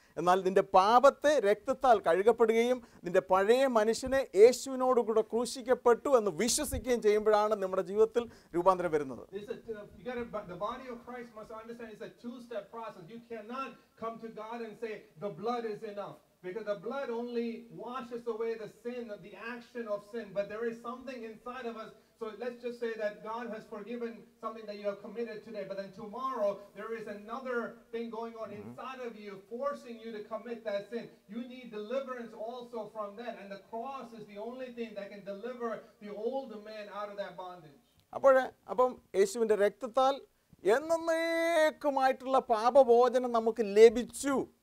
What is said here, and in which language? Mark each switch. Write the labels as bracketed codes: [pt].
[ml] എന്നാൽ നിന്റെ പാപത്തെ രക്തത്താൽ കഴുകപ്പെടുകയും നിന്റെ പഴയ മനുഷ്യനെ യേശുവിനോട് കൂടെ ക്രൂശിക്കപ്പെട്ടു എന്ന് വിശ്വസിക്കുകയും ചെയ്യുമ്പോഴാണ് നമ്മുടെ ജീവിതത്തിൽ രൂപാന്തരം വരുന്നത്. [en] The body of Christ must understand it's a two-step process. You cannot come to God and say the blood is enough, because the blood only washes away the sin, the action of sin, but there is something inside of us So let's just say that God has forgiven something that you have committed today, but then tomorrow there is another thing going on inside of you, forcing you to commit that sin. You need deliverance also from that, and the cross is the only thing that can deliver the old man out of that bondage. [ml] അപ്പം യേശുവിൻ്റെ രക്തത്താൽ എന്നേക്കുമായിട്ടുള്ള പാപമോചനം നമുക്ക് ലഭിച്ചു.